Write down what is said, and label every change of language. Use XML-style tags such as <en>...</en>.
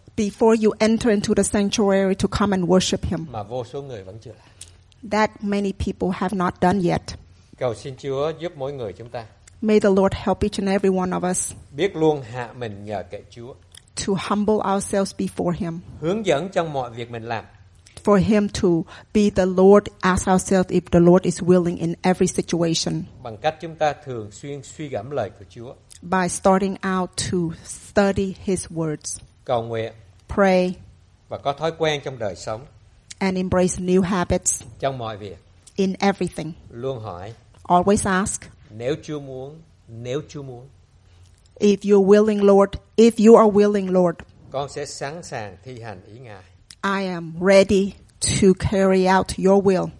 <en>Before you enter into the sanctuary to come and worship him.</en> <vi>Mà vô số người vẫn chưa làm.</vi> <en>That many people have not done yet.</en> <vi>Cầu xin Chúa giúp mỗi người chúng ta.</vi> <en>May the Lord help each and every one of us.</en> <vi>Biết luôn hạ mình nhờ cậy Chúa.</vi> <en>To humble ourselves before him.</en> <vi>Hướng dẫn trong mọi việc mình làm.</vi> <en>For him to be the Lord, ask ourselves if the Lord is willing in every situation.</en> <vi>Bằng cách chúng ta thường xuyên suy gẫm lời của Chúa.</vi> <en>By starting out to study his words.</en> <vi>Cầu nguyện.</vi> <en>Pray.</en> <vi>Và có thói quen trong đời sống.</vi> <en>And embrace new habits.</en> <vi>Trong mọi việc.</vi> <en>In everything.</en> <vi>Luôn hỏi.</vi> <en>Always ask.</en> <vi>Nếu Chúa muốn. Nếu Chúa muốn.</vi> <en>If you're willing, Lord. If you are willing, Lord.</en> <vi>Con sẽ sẵn sàng thi hành ý Ngài.</vi> <en>I am ready to carry out your will.</en>